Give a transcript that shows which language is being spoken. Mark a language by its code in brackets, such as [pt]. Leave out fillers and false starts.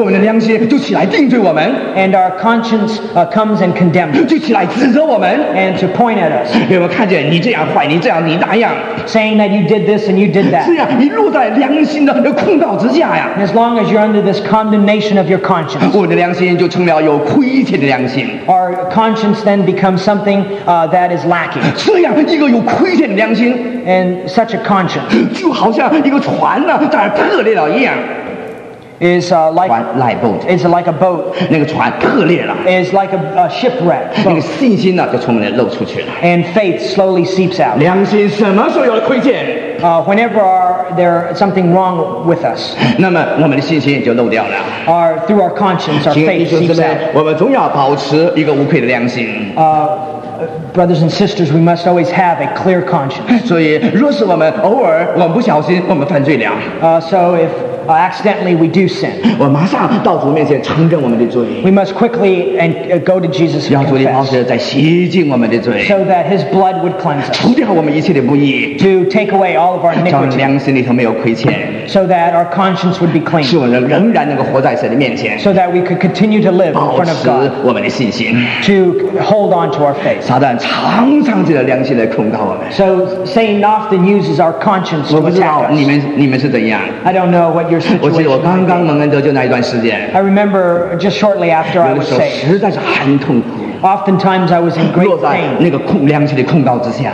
[zh] 我们的良心就起来定罪我们 [en] and our conscience comes and condemns us, [zh] 就起来指责我们 [en] and to point at us, [zh] 因为我看见你这样坏，你这样，你那样 [en] saying that you did this and you did that. [zh] 这样一路在良心的控告之下呀 [en] as long as you're under this condemnation of your conscience, [zh] 我们的良心就成了有亏欠的良心 [en] our conscience then becomes something that is lacking. [zh] 这样一个有亏欠的良心 [en] and such a conscience, [zh] 就好像一个船呢在破裂了一样。 [en] Is like lie boat. Is like a boat. [zh] 那个船破裂了。 [en] Is like a shipwreck. [zh] 那个信心呢，就从里面露出去了。 [en] And faith slowly seeps out. [zh] 良心什么时候有了亏欠？ [en] Whenever there is something wrong with us. [zh] 那么我们的信心就漏掉了。 [en] Through our conscience, our faith seeps out. [zh] 我们总要保持一个无愧的良心。 [en] Brothers and sisters, we must always have a clear conscience. [zh] 所以，若是我们偶尔我们不小心，我们犯罪了。 [en] Accidentally, we do sin. [zh] 我马上到主面前承认我们的罪。 [en] We must quickly and go to Jesus. [zh] 让主的宝血再洗净我们的罪。 [en] So that His blood would cleanse us. [zh] 除掉我们一切的不义。 [en] To take away all of our iniquity. [zh] 让我们良心里头没有亏欠。 [en] So that our conscience would be clean. [zh] 使我们仍然能够活在神的面前。 [en] So that we could continue to live in front of God. [zh] 保持我们的信心。 [en] To hold on to our faith. [zh] 撒旦常常借着良心来控告我们。 [en] So Satan often uses our conscience to attack us. [zh] 我不知道你们是怎样。 [en] I don't know what you're. [zh] 我记得我刚刚蒙恩得救那一段时间 [en] I remember just shortly after I was saved [zh] 那个时候实在是很痛苦 [en] Oftentimes I was in great pain [zh] 落在那个良心的控告之下